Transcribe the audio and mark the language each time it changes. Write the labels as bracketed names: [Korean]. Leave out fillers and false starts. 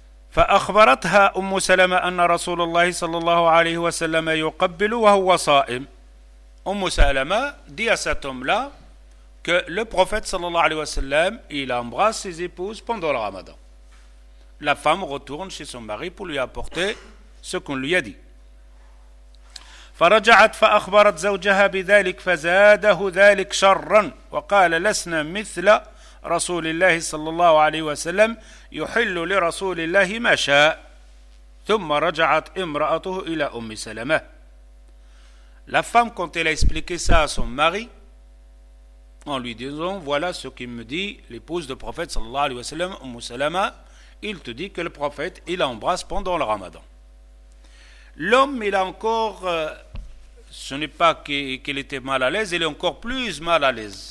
[Arabic] فأخبرتها أم سلمة أن رسول الله صلى الله عليه وسلم يقبل وهو صائم. [French] أم سلمة dit à cet homme-là que le prophète صلى الله عليه وسلم il embrasse ses épouses pendant le ramadan. La femme retourne chez son mari pour lui apporter ce qu'on lui a dit. [Arabic] فرجعت فأخبرت زوجها بذلك فزاده ذلك شرا وقال لسنا مثل رسول الله صلى الله عليه وسلم يحل لرسول الله ما شاء ثم رجعت امرأته إلى أم سلمة. [French] La femme, quand elle a expliqué ça à son mari, en lui disant, voilà ce qu'il me dit l'épouse du prophète صلى الله عليه وسلم, أم سلمة, il te dit que le prophète, il embrasse pendant le ramadan. L'homme, il a encore... Ce n'est pas qu'il était mal à l'aise, il est encore plus mal à l'aise.